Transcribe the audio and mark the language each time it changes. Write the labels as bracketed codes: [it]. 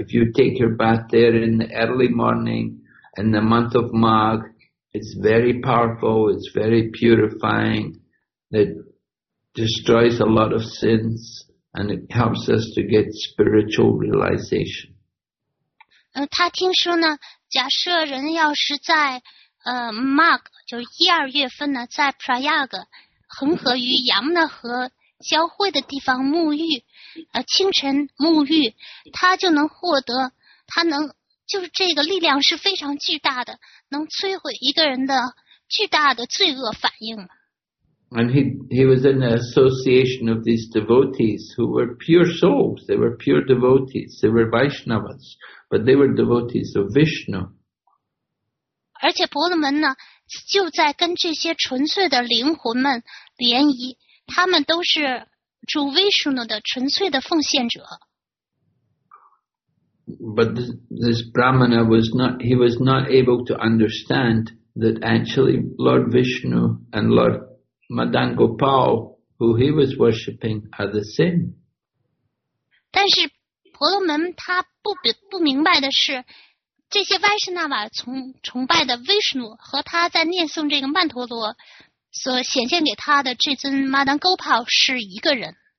[en] If you take your bath there in the early morning, in the month of Magh, it's very powerful, it's very purifying, it destroys a lot of sins.And it helps us to get spiritual realization. [zh] 他听说呢，假设人要是在Magh 就是一二月份呢，在 Prayag 恒河与 Yamuna 河交汇的地方沐浴，清晨沐浴，他就能获得，他能就是这个力量是非常巨大的，能摧毁一个人的巨大的罪恶反应。 [en] And he was in the association of these devotees who were pure souls. They were pure devotees. They were Vaishnavas, but they were devotees of Vishnu. [zh] 而且婆罗门呢，就在跟这些纯粹的灵魂们联谊，他们都是主 Vishnu 的纯粹的奉献者。 [en] But this Brahmana was not. He was not able to understand that actually Lord Vishnu and Lord Madan Gopal, who he was worshipping, are the same. [zh] 但是婆罗门他不明白的是，这些 Vaishnava 崇拜的 Vishnu 和他在念诵这个曼陀罗所显现给他的这尊 Madan Gopal 是一个人。